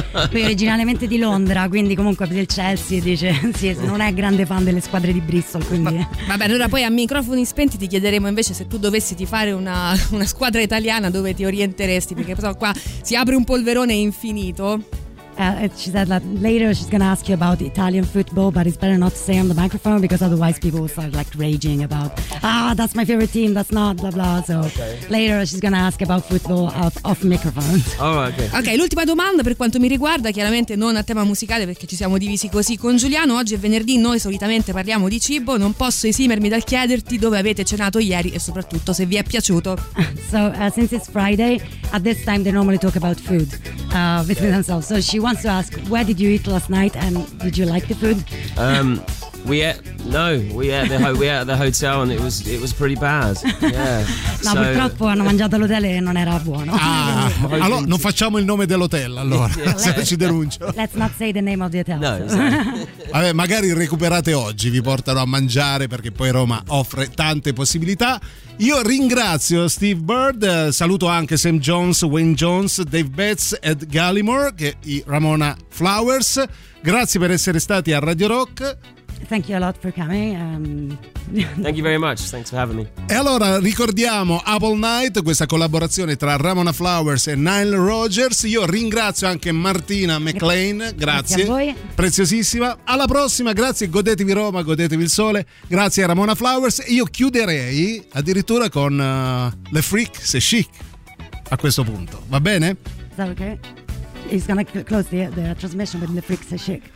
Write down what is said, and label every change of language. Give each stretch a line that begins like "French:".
Italian: Lui è originariamente di Londra, quindi comunque del Chelsea, dice sì, non è grande fan delle squadre di Bristol, quindi. Vabbè, allora poi a microfoni spenti ti chiederemo invece se tu dovessi tifare una squadra italiana dove ti orienteresti, perché però qua si apre un polverone infinito.
English: She said that later she's gonna ask you about Italian football, but it's better not to say on the microphone because otherwise people will start like raging about that's my favorite team, that's not blah blah. So okay. Later she's gonna ask about football off microphone. Oh, okay.
Italian: Okay, l'ultima domanda per quanto mi riguarda, chiaramente non a tema musicale perché ci siamo divisi così con Giuliano. Oggi è venerdì, noi solitamente parliamo di cibo. Non posso esimermi dal chiederti dove avete cenato ieri e soprattutto se vi è piaciuto.
English: So since it's Friday, at this time they normally talk about food between themselves. So she wants to ask, where did you eat last night and did you like the food? We ate at the hotel and it was pretty bad. Yeah.
Italian: No, so, purtroppo hanno mangiato all'hotel e non era buono. Ah, allora non facciamo il nome dell'hotel, allora, yeah, se ci denuncio.
English: Let's not say the name of the hotel. No, exactly.
Italian: Vabbè, magari recuperate oggi, vi portano a mangiare perché poi Roma offre tante possibilità. Io ringrazio Steve Bird, saluto anche Sam Jones, Wayne Jones, Dave Betts, Ed Gallimore e Ramona Flowers. Grazie per essere stati a Radio Rock.
English: Thank you a lot for coming. Thank you very much. Thanks for having me.
Italian: E allora ricordiamo Apple Night, questa collaborazione tra Ramona Flowers e Nile Rodgers. Io ringrazio anche Martina McLean. Grazie a voi. Preziosissima. Alla prossima, grazie. Godetevi Roma, godetevi il sole. Grazie a Ramona Flowers. Io chiuderei addirittura con Le Freak Se Chic a questo punto. Va bene?
English: Is that okay? He's gonna close the transmission with Le Freak Se Chic.